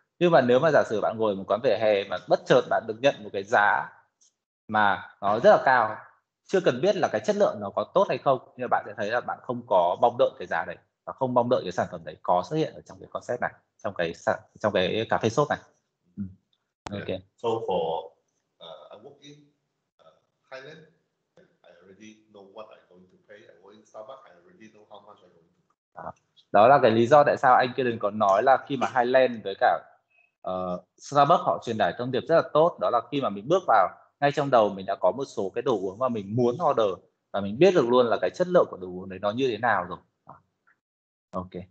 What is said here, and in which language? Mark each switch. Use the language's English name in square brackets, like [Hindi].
[Vietnamese] Nhưng mà nếu mà giả sử bạn ngồi một quán vỉa hè mà bất chợt bạn được nhận một cái giá mà nó rất là cao, chưa cần biết là cái chất lượng nó có tốt hay không, nhưng mà bạn sẽ thấy là bạn không có mong đợi cái giá đấy và không mong đợi cái sản phẩm đấy có xuất hiện ở trong cái concept này, trong cái cà phê shop này. [English] Yeah. So for I walk in Highland, I already know what I'm going to pay. I walk in Starbucks, I already know how much I'm going [Vietnamese] Đó là cái lý do tại sao anh kia đừng có nói là khi mà Highland với cả Starbucks họ truyền tải thông điệp rất là tốt, đó là khi mà mình bước vào, ngay trong đầu mình đã có một số cái đồ uống mà mình muốn order và mình biết được luôn là cái chất lượng của đồ uống đấy nó như thế nào rồi. Ok.